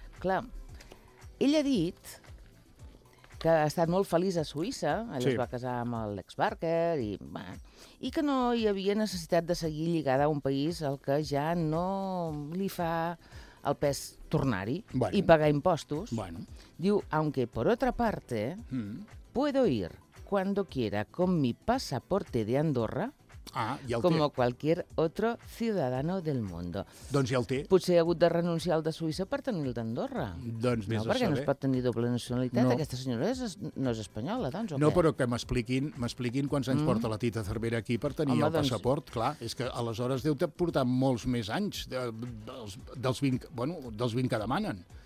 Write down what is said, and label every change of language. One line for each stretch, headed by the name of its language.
Catalan: Clar, ell ha dit que ha estat molt feliç a Suïssa, allà sí. Es va casar amb l'ex Barker, i que no hi havia necessitat de seguir lligada a un país al que ja no li fa el pes tornar-hi bueno. I pagar impostos. Bueno.
Spanish: Diu, aunque por otra parte, puedo ir cuando quiera con mi pasaporte de Andorra,
Catalan: ah, ja
Spanish: como
Catalan: té.
Spanish: Cualquier otro ciudadano del mundo.
Catalan: Doncs ja el té. Potser ha hagut de renunciar al de Suïssa per tenir el d'Andorra. Doncs no, perquè no es pot tenir doble nacionalitat. No. Aquesta senyora no és espanyola, doncs, o no, però que m'expliquin quants anys porta la Tita Cervera aquí per tenir el passaport. Doncs... Clar, és que aleshores deu portar molts més anys dels 20, bueno, dels 20 que demanen.